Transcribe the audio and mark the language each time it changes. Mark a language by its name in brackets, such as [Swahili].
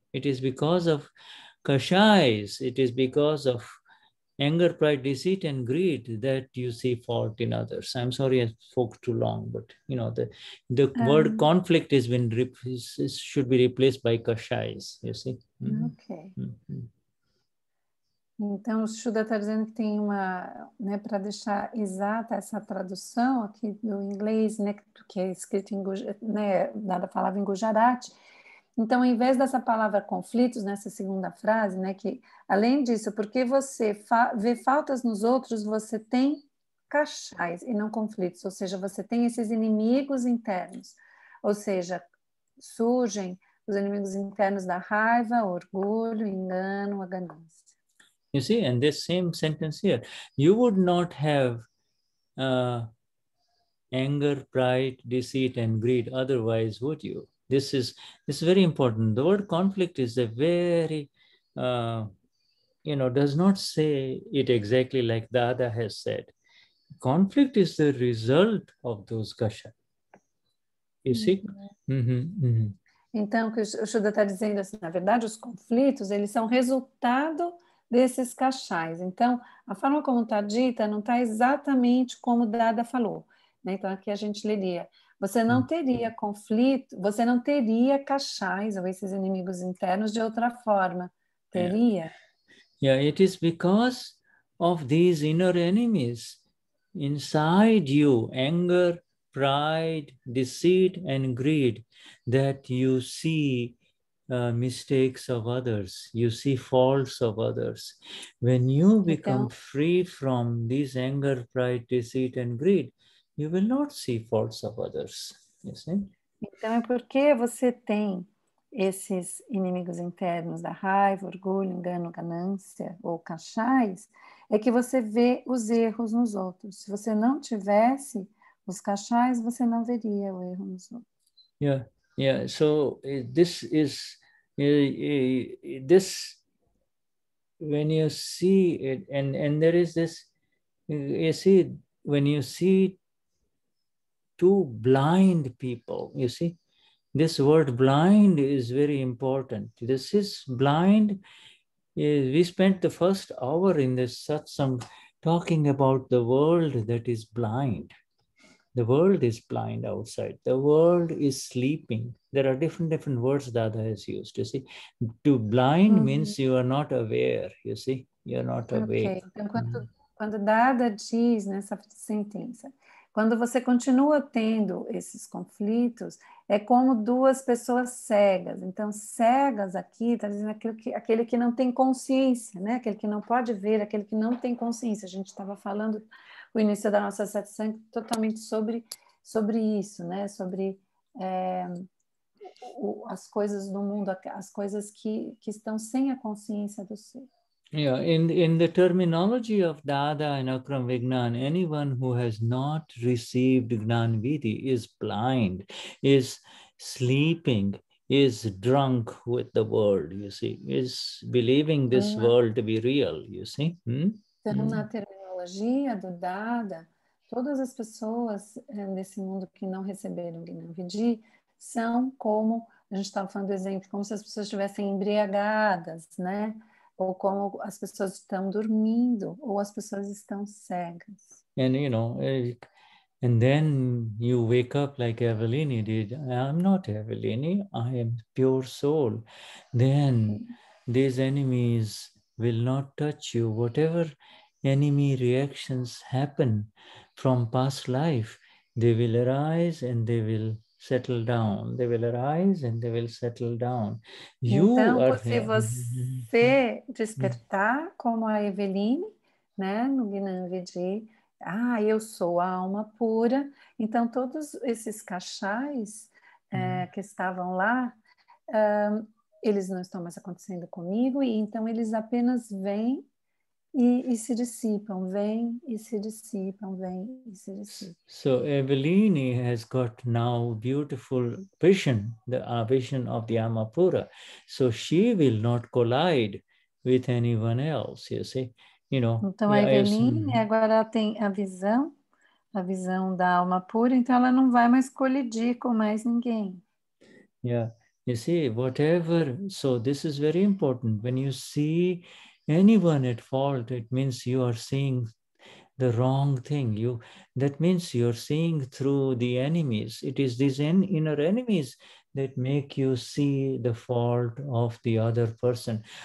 [English] It is because of kashais, it is because of anger, pride, deceit, and greed that you see fault in others. I'm sorry I spoke too long, but you know, the word conflict has been should be replaced by kashais, you see. Okay. Mm-hmm. [Portuguese] Então, o Shuddha está dizendo que tem uma, né, para deixar exata essa tradução aqui do inglês, né, que é escrito em, né, dada a palavra em Gujarati. Então, ao invés dessa palavra conflitos, nessa segunda frase, né, que além disso, porque você vê faltas nos outros, você tem kashais e não conflitos, ou seja, você tem esses inimigos internos, ou seja, surgem os inimigos internos da raiva, orgulho, engano, a ganância. [English] You see, and this same sentence here, you would not have anger, pride, deceit, and greed otherwise, would you? This is very important. The word conflict is a very, does not say it exactly like Dada has said. Conflict is the result of those kasha. You see? [Portuguese] Então, o Shuddha está dizendo assim, na verdade, os conflitos, eles são resultado desses kashais. Então, a forma como está dita não está exatamente como Dada falou. Né? Então, aqui a gente leria. Você não teria conflito, você não teria kashais ou esses inimigos internos de outra forma. Teria? [English] Yeah, it is because of these inner enemies inside you, anger, pride, deceit, and greed, that you see mistakes of others, you see faults of others. When you become free from these anger, pride, deceit, and greed, you will not see faults of others. You see? [Portuguese] Então, é porque você tem esses inimigos internos da raiva, orgulho, engano, ganância ou kashais, é que você vê os erros nos outros. Se você não tivesse os kashais, você não veria o erro nos outros. [English] Yeah. So, this is, when you see it, and there is this, you see, when you see two blind people, you see, this word blind is very important. This is blind. We spent the first hour in this satsang talking about the world that is blind. The world is blind outside. The world is sleeping. There are different words Dada has used. You see, to blind means you are not aware. You see, you are not aware. Okay. [Portuguese] Então, quando Dada diz nessa sentença, quando você continua tendo esses conflitos, é como duas pessoas cegas. Então, cegas aqui, está dizendo aquele que não tem consciência, né? Aquele que não pode ver, aquele que não tem consciência. A gente estava falando o início da nossa satsang totalmente sobre isso, né? Sobre as coisas do mundo, as coisas que estão sem a consciência do ser. [English] Yeah, in the terminology of Dada and Akram Vignan, anyone who has not received Gnan Vidhi is blind, is sleeping, is drunk with the world, you see, is believing this world to be real, you see. [Portuguese] Então, na terminologia do Dada, todas as pessoas nesse mundo que não receberam Gnan Vidhi são como, a gente estava falando do exemplo, como se as pessoas estivessem embriagadas, né? Ou como as pessoas estão dormindo, ou as pessoas estão cegas. [English] And, you know, and then you wake up like Eveline did. I'm not Eveline, I am pure soul. Then these enemies will not touch you. Whatever enemy reactions happen from past life, they will arise and they will settle down. They will arise and they will settle down. [Portuguese] You então, are se você despertar como a Eveline, né, no Gnan Vidhi, eu sou a alma pura, então todos esses cachais que estavam lá, eles não estão mais acontecendo comigo, e então eles apenas vêm e se dissipam, vem e se dissipam, vem e se dissipam. [English] So Eveline has got now beautiful vision, the vision of the Amapura. So she will not collide with anyone else, you see. You know, [Portuguese] então a Eveline agora tem a visão da Amapura, então ela não vai mais colidir com mais ninguém. [English] Yeah, you see, whatever, so this is very important, when you see anyone at fault, it means you are seeing the wrong thing. That means you are seeing through the enemies. It is these inner enemies that make you see the fault of the other person.